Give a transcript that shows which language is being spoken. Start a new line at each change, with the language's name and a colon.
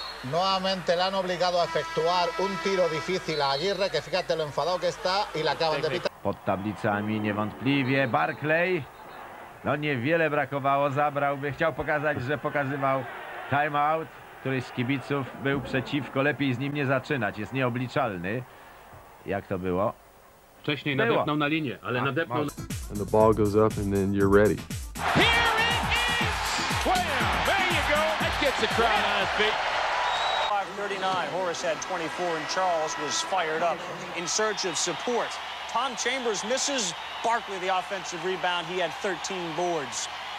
Spanish: Nuevamente le han obligado a efectuar un tiro difícil a Aguirre, que fíjate lo enfadado que está y le acaban de pitar.
Polish: Pod tablicami niewątpliwie Barkley. No niewiele brakowało, zabrałby, chciał pokazać, że pokazywał timeout. Któryś z kibiców był przeciwko, lepiej z nim nie zaczynać, jest nieobliczalny. Jak to było? Wcześniej było. Nadepnął na linię, ale a, nadepnął...
English: And the ball goes up and then you're ready. Here it is! Wham! There you go! That gets the crowd on his feet. 5:39, Horace had 24 and Charles was fired up in search of support. Tom Chambers misses, Barkley the offensive rebound, he had 13 boards.